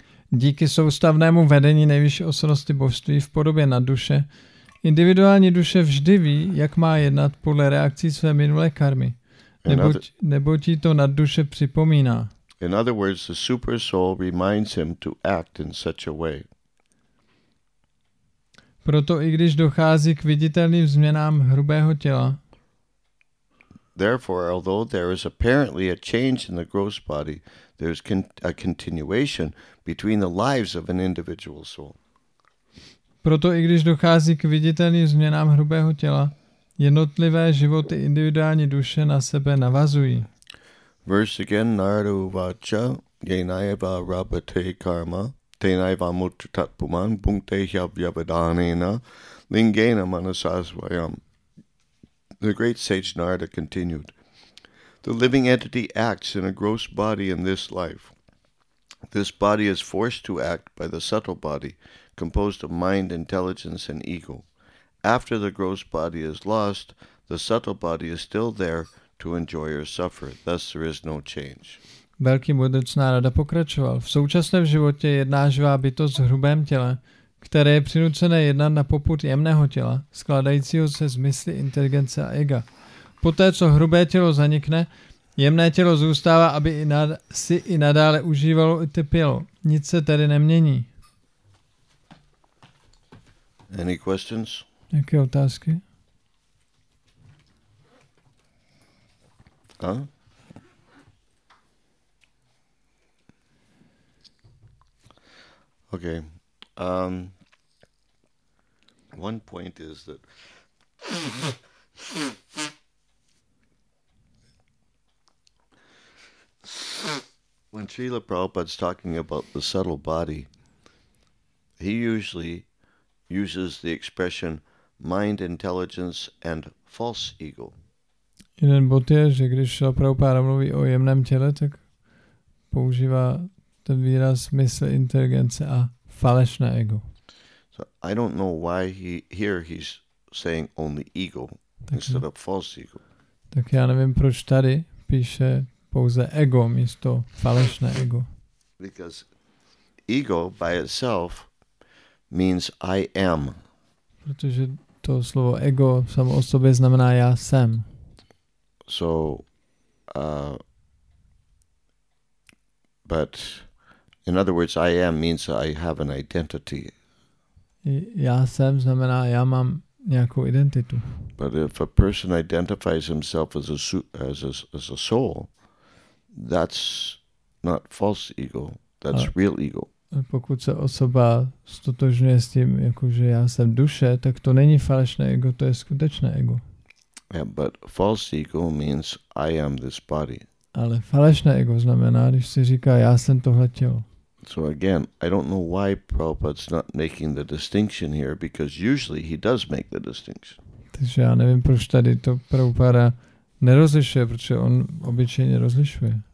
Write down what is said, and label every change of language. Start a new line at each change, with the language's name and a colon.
Czech: Díky soustavnému vedení nejvyšší osobnosti božství v podobě nadduše, individuální duše vždy ví, jak má jednat podle reakcí své minulé karmy, neboť jí to nadduše připomíná.
English: In other words, the Supersoul reminds him to act in such a way.
Czech: Proto i když dochází k viditelným změnám hrubého těla.
English: Therefore, although there is apparently a change in the gross body, there is a continuation between the lives of an individual soul.
Czech: Proto i když dochází k viditelným změnám hrubého těla, jednotlivé životy individuální duše na sebe navazují.
English: Verse again,
Sanskrit: Narada uvacha, yenaiva rabate karma. Tenaiva mutat puman punkte hyavyavadanena lingena manasasvayam.
English: The great sage Narada continued, the living entity acts in a gross body in this life. This body is forced to act by the subtle body, composed of mind, intelligence, and ego. After the gross body is lost, the subtle body is still there to enjoy or suffer. Thus there is no change.
Czech: Velký mudrc Narada pokračoval. V současném životě jedná živá bytost v hrubém těle, které je přinucené jednat na popud jemného těla, skládajícího se z mysli, inteligence a ega. Poté, co hrubé tělo zanikne, jemné tělo zůstává, aby si i nadále užívalo i trpělo. Nic se tedy nemění.
English: Any questions?
Czech: Jaké otázky? A?
English: Okay. One point is that when Srila Prabhupada's talking about the subtle body, he usually uses the expression mind, intelligence, and false ego.
Czech: Jeden bod je, že když Srila Prabhupada mluví o jemném těle, tak používá ten výraz mysl, inteligence a falešné ego.
English: So I don't know why he's saying only ego instead of false ego.
Czech: Tak já nevím, proč tady píše pouze ego místo falešné ego.
English: Because ego by itself means I am.
Czech: Protože to slovo ego samo o sobě znamená já jsem.
English: So but in other words, I am means I have an identity.
Czech: Já jsem znamená, já mám nějakou identitu.
English: But if a person identifies himself as a soul, that's not false ego, that's real ego.
Czech: A pokud se osoba stotožňuje s tím, jakože já jsem duše, tak to není falešné ego, to je skutečné ego.
English: Yeah, but false ego means I am this body.
Czech: Ale falešné ego znamená, když si říká, já jsem tohle tělo.
English: So again, I don't know why Prabhupada's not making the distinction here, because usually he does make the distinction.
Czech: Takže já nevím, proč tady to Prabhupada nerozlišuje, protože on obyčejně rozlišuje.